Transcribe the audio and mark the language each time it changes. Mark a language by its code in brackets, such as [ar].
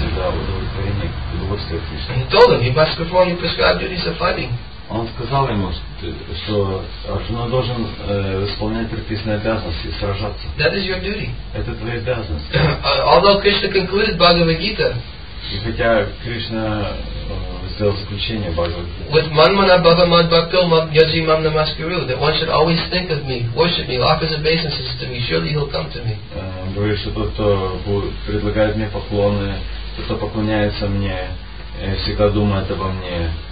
[en] And he told him he must perform the prescribed duties of fighting. [ru] Он сказал ему, что Арджуна должен исполнять предписанные обязанности и сражаться. [en] That is your duty. [ru] Это твоя обязанность. [en] Although Krishna concluded Bhagavad Gita. [ru] И хотя Кришна сделал заключение Бхагавад Гиты. [en] With [sa] manmana bhagamad bhaktil yaji mam namaskuru, [en] that one should always think of me, worship me, offer his obeisances to me, surely he'll come to me. [ru] Говорит, что тот, кто предлагает мне поклоны, тот, кто поклоняется мне, всегда думает обо мне,